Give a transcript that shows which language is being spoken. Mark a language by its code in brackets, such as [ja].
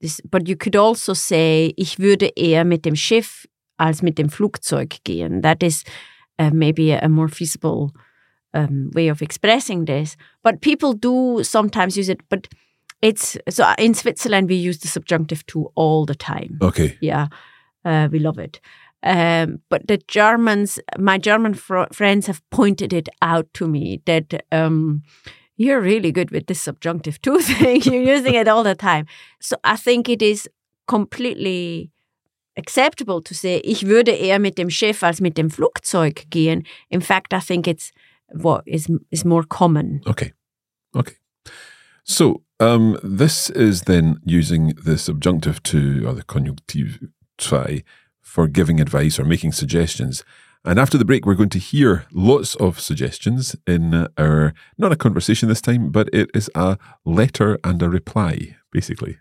[en] But you could also say, [de] ich würde eher mit dem Schiff als mit dem Flugzeug gehen. [en] That is maybe a more feasible way of expressing this. But people do sometimes use it. But it's so in Switzerland, we use the subjunctive to all the time. Okay. Yeah. We love it. But the Germans, my German friends have pointed it out to me that. You're really good with this subjunctive too thing. You're using it all the time. So I think it is completely acceptable to say, [de] ich würde eher mit dem Schiff als mit dem Flugzeug gehen. [en] In fact, I think it's what is more common. Okay. Okay. So this is then using the subjunctive to or the Konjunktiv 2 for giving advice or making suggestions. And after the break, we're going to hear lots of suggestions in our, not a conversation this time, but it is a letter and a reply, basically.